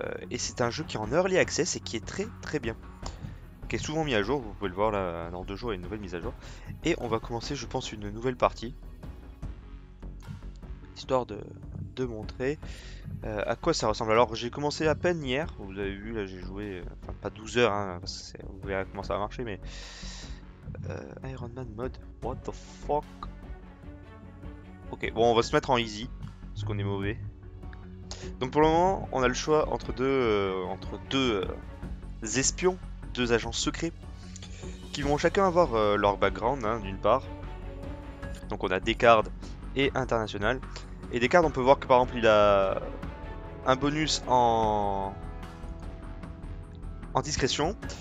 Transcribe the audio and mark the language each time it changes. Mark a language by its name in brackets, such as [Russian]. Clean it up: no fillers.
[French] Et c'est un jeu qui est en early access et qui est très très bien. Qui est souvent mis à jour, vous pouvez le voir là, dans 2 jours il y a une nouvelle mise à jour. Et on va commencer, je pense, une nouvelle partie. Histoire de montrer à quoi ça ressemble. Alors j'ai commencé à peine hier, vous avez vu là j'ai joué, enfin pas 12 heures, hein, parce que vous verrez comment ça va marcher, mais... [English] Iron Man mode, what the fuck? [French] Ok, bon on va se mettre en easy, parce qu'on est mauvais. Donc pour le moment on a le choix entre deux espions, deux agents secrets, qui vont chacun avoir leur background, hein, d'une part. Donc on a Deckard et International. Et Deckard, on peut voir que par exemple il a un bonus en discrétion.